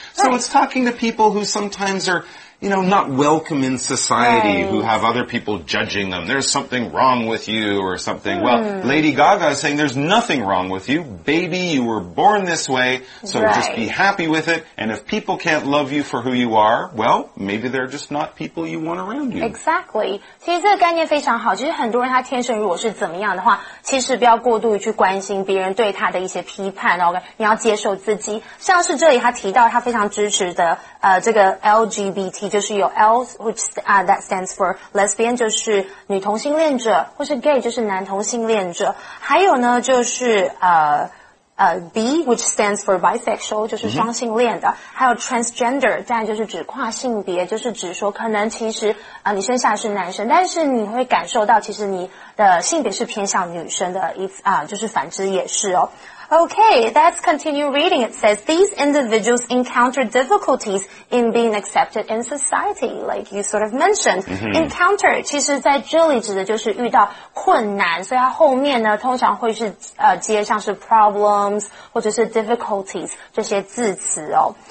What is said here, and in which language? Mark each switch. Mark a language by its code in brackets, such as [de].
[en] So it's talking to people who sometimes are, you know, not welcome in society, who have other people judging them. There's something wrong with you or something. Well, Lady Gaga is saying there's nothing wrong with you. Baby, you were born this way, so just be happy with it. And if people can't love you for who you are, well, maybe they're just not people you want around you. Exactly. [zh] 其实这个概念非常好，就是很多人他天生如果是怎么样的话，其实不要过度去关心别人对他的一些批判，然后你要接受自己。像是这里他提到他非常支持的这个 LGBT 就是有 L, [en] which, that stands for lesbian, [zh] 就是女同性恋者，或是 gay, 就是男同性恋者。还有呢就是B, [en] which stands for bisexual, [zh] 就是双性恋的。还有 transgender, 当然就是指跨性别，就是指说可能其实你生下是男生，但是你会感受到其实你的性别是偏向女生的，就是反之也是哦。 [en] Okay, let's continue reading. It says, these individuals encounter difficulties in being accepted in society, like you sort of mentioned.、Mm-hmm. [zh] Encounter, 其实在这里指的就是遇到困难，所以它后面呢通常会是、接像是 problems 或者是 difficulties 这些字词哦。